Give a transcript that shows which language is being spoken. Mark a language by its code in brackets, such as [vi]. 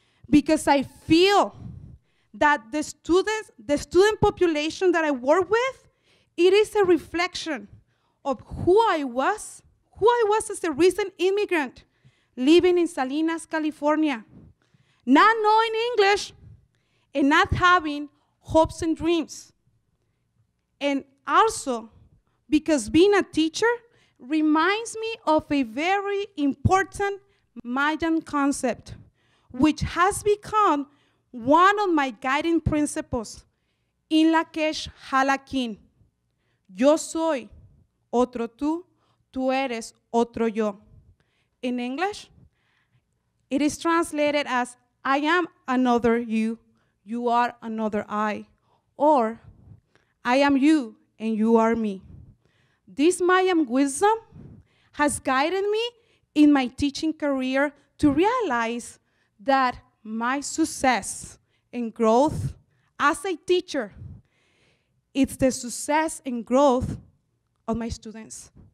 [en] Because I feel that the student population that I work with, it is a reflection of who I was as a recent immigrant living in Salinas, California, not knowing English and not having hopes and dreams. And also because being a teacher reminds me of a very important Mayan concept, which has become one of my guiding principles. [myn] In la quech halakin, [es] yo soy otro tú, tú eres otro yo. [en] In English, it is translated as, I am another you, you are another I, or I am you and you are me. This Mayan wisdom has guided me in my teaching career to realize that my success and growth as a teacher, it's the success and growth of my students.